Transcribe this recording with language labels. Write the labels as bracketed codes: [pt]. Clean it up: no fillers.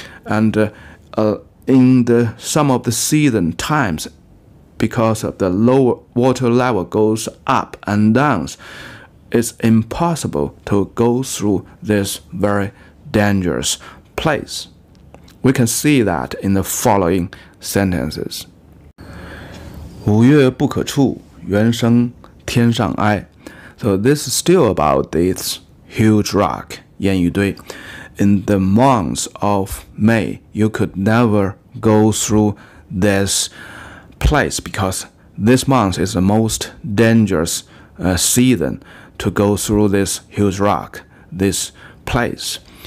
[en] And in the some of the season times, because of the lower water level goes up and down, it's impossible to go through this very dangerous place. We can see that in the following sentences. [zh] 五月不可触，猿声天上哀。 [en] So this is still about this huge rock, Yanyudui. In the month of May, you could never go through this place because this month is the most dangerous season to go through this huge rock, this place.